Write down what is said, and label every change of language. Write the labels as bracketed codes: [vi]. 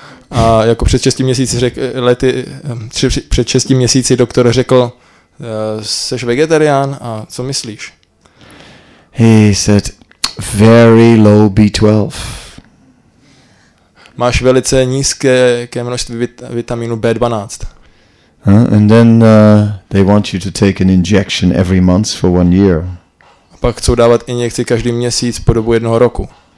[cs] A jako před 6 měsíci doktor řekl, Seš vegetarián a co myslíš? [en] He said, very low B12. [cs] Máš velice nízké množství vitaminu B12. [en] And then they want you to take an injection every month for one year. [cs] A pak chcou dávat injekci každý měsíc po dobu jednoho roku.